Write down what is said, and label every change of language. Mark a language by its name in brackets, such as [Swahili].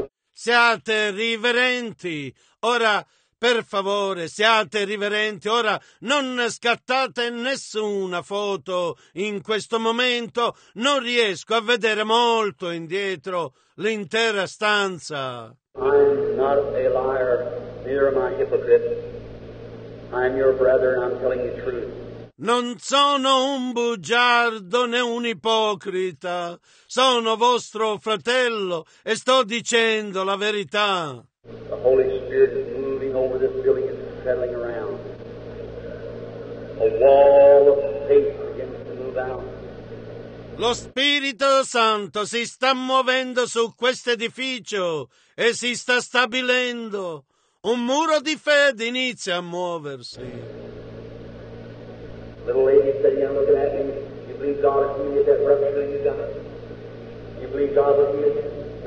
[Italian] Siate riverenti. Ora, per favore, siate riverenti. Ora, non scattate nessuna foto in questo momento. Non riesco a vedere molto indietro l'intera stanza. [English] I'm not a liar, neither am I a hypocrite. I'm your brother and I'm telling you the truth. [Italian] Non sono un bugiardo né un ipocrita. Sono vostro fratello e sto dicendo la verità. [English] The Holy Spirit is moving over this building and settling around. A wall of faith begins to move out. [Italian] Lo Spirito Santo si sta muovendo su questo edificio e si sta stabilendo. Un muro di fede inizia a muoversi. [English] Little lady sitting there looking at me. You believe God is giving you that rupture you got? You believe God is giving you that?